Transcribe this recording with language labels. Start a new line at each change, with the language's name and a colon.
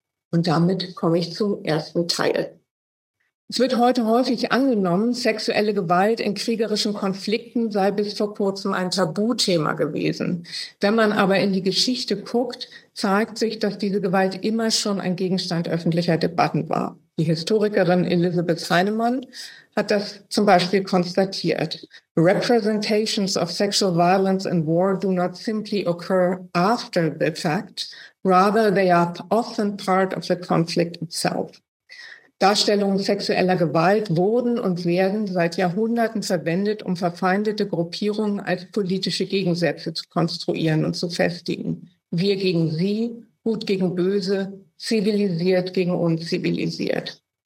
German: Und damit komme ich zum ersten Teil. Es wird heute häufig angenommen, sexuelle Gewalt in kriegerischen Konflikten sei bis vor kurzem ein Tabuthema gewesen. Wenn man aber in die Geschichte guckt, zeigt sich, dass diese Gewalt immer schon ein Gegenstand öffentlicher Debatten war. Die Historikerin Elizabeth Heinemann hat das zum Beispiel konstatiert.
English: Representations of sexual violence in war do not simply occur after the fact, rather they are often part of the conflict itself.
German: Darstellungen sexueller Gewalt wurden und werden seit Jahrhunderten verwendet, um verfeindete Gruppierungen als politische Gegensätze zu konstruieren und zu festigen. Wir gegen sie, gut gegen böse, zivilisiert gegen unzivilisiert.